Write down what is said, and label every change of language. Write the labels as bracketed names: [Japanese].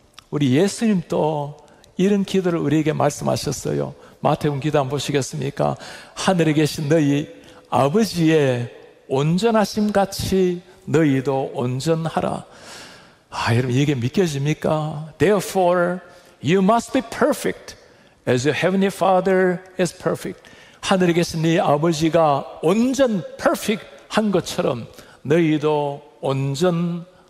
[Korean] 우리 예수님도 이런 기도를 우리에게 말씀하셨어요. 마태복음 기도 한번 보시겠습니까? 하늘에 계신 너희 아버지의 온전하심 같이 너희도 온전하라. 아, 여러분, 이게 믿겨집니까? [English] Therefore, you must be perfect as your heavenly Father is perfect. [Korean] 하늘에 계신 너희 아버지가 온전 perfect 한 것처럼 너희도 온전하라.